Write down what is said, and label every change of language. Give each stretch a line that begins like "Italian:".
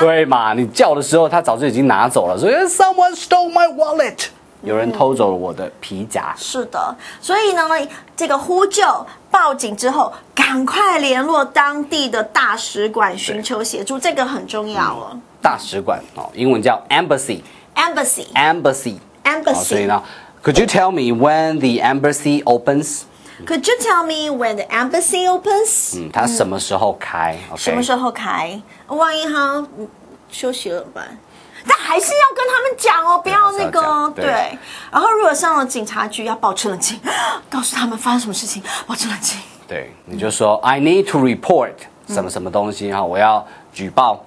Chinese: 对嘛，你叫的时候他早就已经拿走了，所以
English: someone stole my wallet.
Chinese: 有人偷走了我的皮夹、嗯、是的，所以呢这个呼救报警之后赶快联络当地的大使馆寻求协助，这个很重要哦、嗯、大使馆、哦、英文叫 embassy
English: embassy embassy embassy、哦、
Chinese: 所以呢
English: could you tell me when the embassy opens could you tell me when the embassy opens、
Chinese: 嗯、它什么时候开、嗯 okay、什么时候开，万一它休息了吧，但还是要跟他们讲哦，不要那个对。然后如果上了警察局，要保持冷静，告诉他们发生什么事情，保持冷静。对，你就说、嗯、
English: I need to report
Chinese: 什么什么东西、嗯、我要举报，